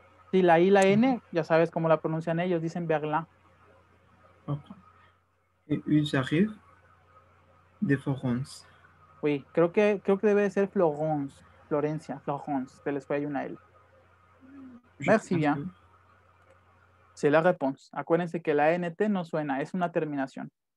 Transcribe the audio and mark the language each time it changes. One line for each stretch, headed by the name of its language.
Spanish: Sí, la I, la N, ya sabes cómo la pronuncian ellos, dicen Berlin.
English: Okay.
French: Ils arrivent de Florence.
Spanish: Sí, creo que debe de ser Florencia, se les fue ahí una L.
French: Merci bien. Que... C'est la réponse.
Spanish: Acuérdense que la NT no suena, es una terminación.